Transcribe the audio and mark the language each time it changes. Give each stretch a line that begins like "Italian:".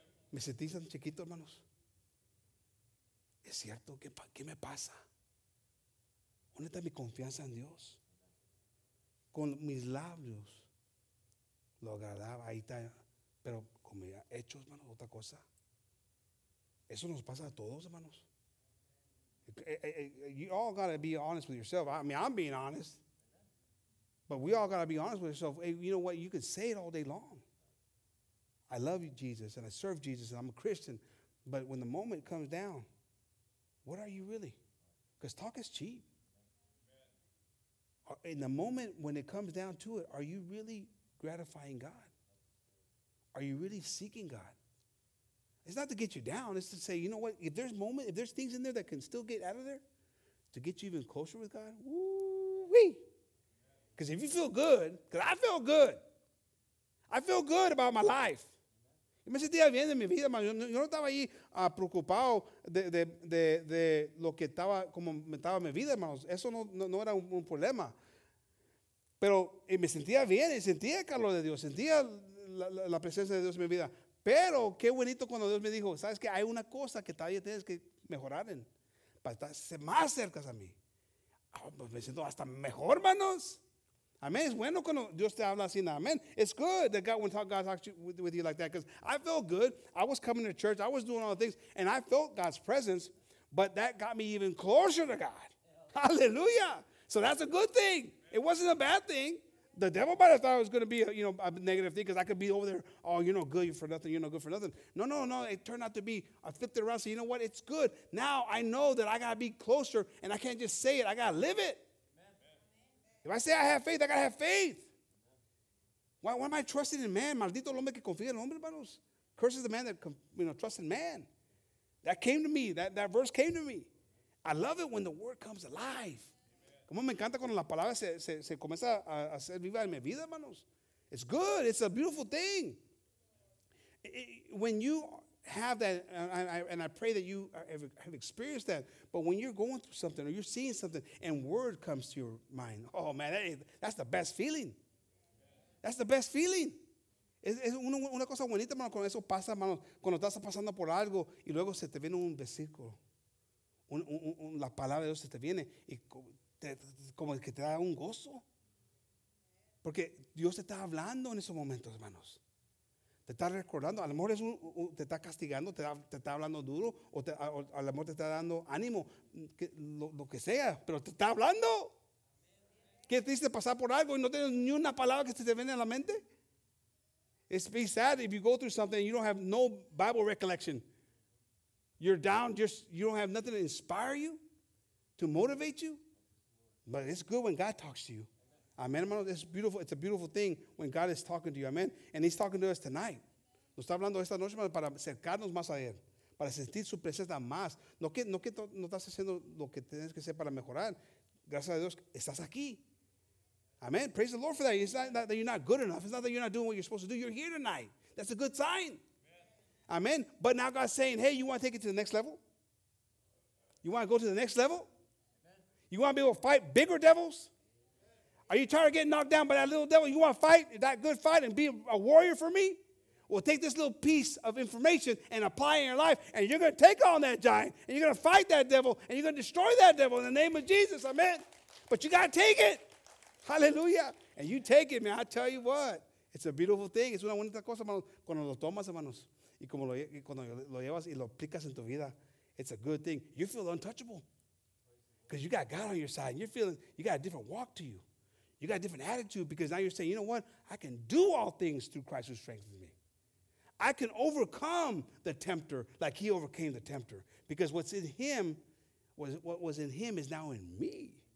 Spanish: Me sentí tan chiquito, hermanos. Es cierto, ¿qué me pasa? ¿Dónde está mi confianza en Dios? Con mis labios lo agradaba, ahí está, pero con mis hechos, hermanos, otra cosa. Eso nos pasa a todos, hermanos.
English: You all got to be honest with yourself. I mean, I'm being honest. But we all got to be honest with yourself. Hey, you know what? You can say it all day long. I love you, Jesus, and I serve Jesus, and I'm a Christian. But when the moment comes down, what are you really? Because talk is cheap. In the moment when it comes down to it, are you really gratifying God? Are you really seeking God? It's not to get you down. It's to say, you know what? If there's moment, if there's things in there that can still get out of there to get you even closer with God, woo-wee. Because if you feel good, because I feel good. I feel good about my life.
Spanish: Yo me sentía bien en mi vida, hermano. Yo no estaba ahí preocupado de lo que estaba, como me estaba en mi vida, hermano. Eso no era un problema. Pero me sentía bien, sentía el calor de Dios, sentía la presencia de Dios en mi vida. Pero qué bonito cuando Dios me dijo, ¿sabes qué? Hay una cosa que todavía tienes que mejorar en, para estar más cerca a mí. Oh, pues me siento hasta mejor, hermanos. Amen. Es bueno cuando Dios te habla así. Amen.
English: It's good that God, when God talks with you like that, because I felt good. I was coming to church. I was doing all the things, and I felt God's presence, but that got me even closer to God. Hallelujah. So that's a good thing. It wasn't a bad thing. The devil might have thought it was going to be a, you know, a negative thing, because I could be over there, oh, you're no good, you're for nothing, you're no good for nothing. No, no, no, it turned out to be, I flipped it around, so you know what, it's good. Now I know that I got to be closer, and I can't just say it, I got to live it. Amen. If I say I have faith, I got to have faith. Why am I trusting in man?
Spanish: Maldito el hombre que confía en hombre, hermanos.
English: Curses the man that, you know, trusts in man. That came to me, that verse came to me. I love it when the word comes alive.
Spanish: Como me encanta cuando la palabra se comienza a hacer viva en mi vida, hermanos.
English: It's good. It's a beautiful thing. When you have that, and I pray that you have experienced that, but when you're going through something or you're seeing something and word comes to your mind, oh, man, that's the best feeling. That's the best feeling.
Spanish: Es una cosa bonita, hermano, cuando eso pasa, hermano, cuando estás pasando por algo y luego se te viene un versículo. La palabra de Dios se te viene y como que te da un gozo. Porque Dios te está hablando en esos momentos, hermanos. Te está recordando. A lo mejor te está castigando, te está hablando duro, o a lo mejor te está dando ánimo, lo que sea, pero te está hablando. ¿Qué te hiciste pasar por algo y no tienes ni una palabra que se te viene a la mente?
English: It's be sad if you go through something and you don't have no Bible recollection. You're down, just you don't have nothing to inspire you, to motivate you. But it's good when God talks to you. Amen, hermano. It's beautiful. It's a beautiful thing when God is talking to you. Amen. And he's talking to us tonight.
Spanish: Nos está hablando esta noche, hermano, para acercarnos más a él, para sentir su presencia más. No que no estás haciendo lo que tienes que hacer para mejorar. Gracias a Dios, estás aquí. Amen.
English: Praise the Lord for that. It's not that you're not good enough. It's not that you're not doing what you're supposed to do. You're here tonight. That's a good sign. Amen. But now God's saying, hey, you want to take it to the next level? You want to go to the next level? You want to be able to fight bigger devils? Are you tired of getting knocked down by that little devil? You want to fight that good fight and be a warrior for me? Well, take this little piece of information and apply it in your life, and you're going to take on that giant, and you're going to fight that devil, and you're going to destroy that devil in the name of Jesus. Amen. But you got to take it. Hallelujah. And you take it, man. I tell you what. It's a beautiful thing. Es una bonita cosa, hermanos, cuando lo tomas, hermanos, y como cuando lo llevas y lo aplicas en tu vida. It's a good thing. You feel untouchable. Because you got God on your side, and you're feeling, you got a different walk to you. You got a different attitude, because now you're saying, you know what? I can do all things through Christ who strengthens me. I can overcome the tempter like he overcame the tempter. Because what's in him, what was in him is now in me.